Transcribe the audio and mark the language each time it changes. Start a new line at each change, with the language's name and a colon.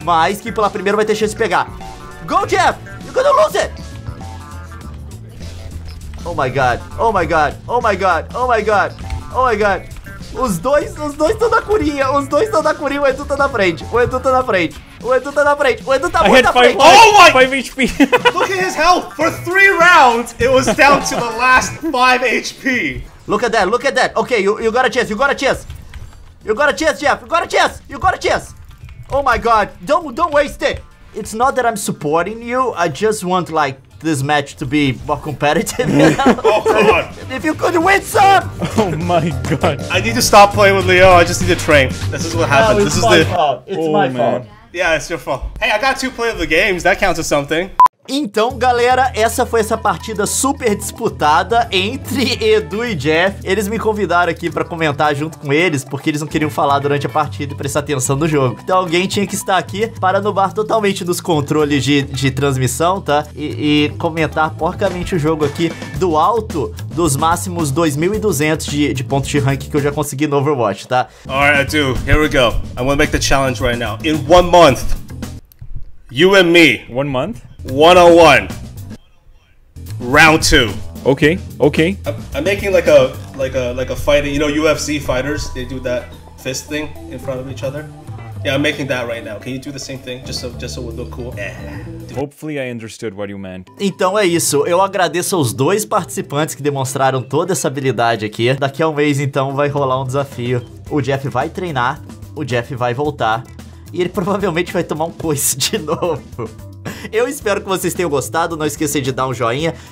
Portuguese: Mas quem pular primeiro vai ter chance de pegar.
English: Go, Jeff! You're gonna lose it! Oh my god, oh my god, oh my god, oh my god, oh my god.
Portuguese: Os dois estão na curinha, os dois estão na curinha, o Edu tá na frente, o Edu tá na frente, o Edu tá na frente, o Edu tá muito na frente.
English: Oh my! 5 HP! Look at his health! For 3 rounds, it was down to the last 5 HP. Look at that, okay, you got a chance, you got a chance. You got a chance, Jeff, you got a chance, you got a chance. Oh my god, don't waste it. It's not that I'm supporting you, I just want like this match to be more competitive. Oh, come on. If you could win some. Oh my god. I need to stop playing with Leo, I just need to train. This is what happened. No, this is the. It's my fault. Yeah, it's your fault. Hey, I got 2 play of the games, that counts as something.
Portuguese: Então, galera, essa foi essa partida super disputada entre Edu e Jeff. Eles me convidaram aqui pra comentar junto com eles, porque eles não queriam falar durante a partida e prestar atenção no jogo. Então alguém tinha que estar aqui para anubar totalmente dos controles de transmissão, tá? E comentar porcamente o jogo aqui do alto dos máximos 2.200 de pontos de rank que eu já consegui no Overwatch, tá?
English: Alright, Edu, here we go. I want to make the challenge right now. In 1 month, you and me. 1 month? 101, round 2. Okay, okay. I'm making like a fighting, you know, UFC fighters, they do that fist thing in front of each other. Yeah, I'm making that right now. Can you do the same thing, just so it would look cool? Yeah. Hopefully I understood what you meant.
Portuguese: Então é isso, eu agradeço aos dois participantes que demonstraram toda essa habilidade aqui. Daqui a 1 mês então vai rolar um desafio. O Jeff vai treinar, o Jeff vai voltar, e ele provavelmente vai tomar um coice de novo. Eu espero que vocês tenham gostado, não esqueçam de dar um joinha.